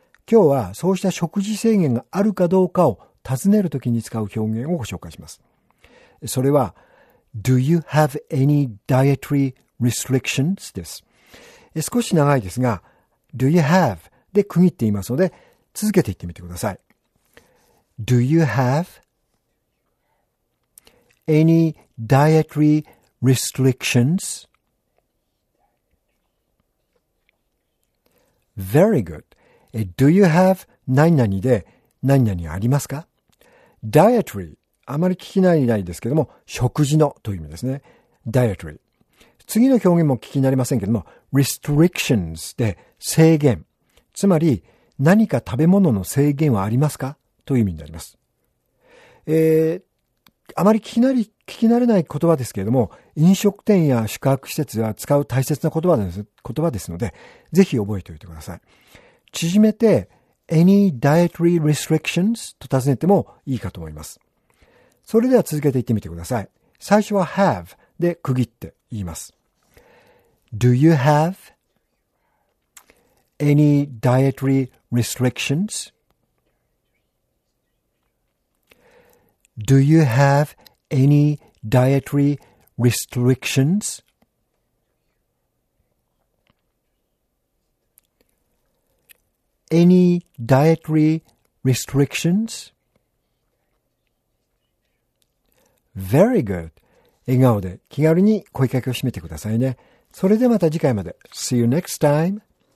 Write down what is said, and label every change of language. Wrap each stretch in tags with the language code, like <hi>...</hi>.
<ja>今日はそうした食事制限があるかどうかを尋ねるときに使う表現をご紹介します。それは、</ja> <en>Do you have any dietary restrictions?</en> <ja>です。少し長いですが、</ja> <en>Do you have?</en> <ja>で区切っていますので、続けていってみてください。</ja> <en>Do you have any dietary restrictions? Very good. Do you have</en> <ja>何々で何々ありますか? Dietary あまり聞き慣れないですけども食事のという意味ですね。 Dietary 次の表現も聞き慣れませんけども Restrictions で制限つまり何か食べ物の制限はありますかという意味になります。あまり聞き慣れない言葉ですけれども飲食店や宿泊施設では使う大切な言葉ですのでぜひ覚えておいてください。縮めて</ja> <en>Any dietary restrictions?</en> <ja>と尋ねてもいいかと思います。それでは続けて言ってみてください。最初は have で区切って言います。</ja> <en>Do you have any dietary restrictions? Do you have any dietary restrictions? Any dietary restrictions? Very good.</en> <ja>笑顔で気軽に声かけを締めてくださいね。それではまた次回まで。</ja> <en>See you next time.</en>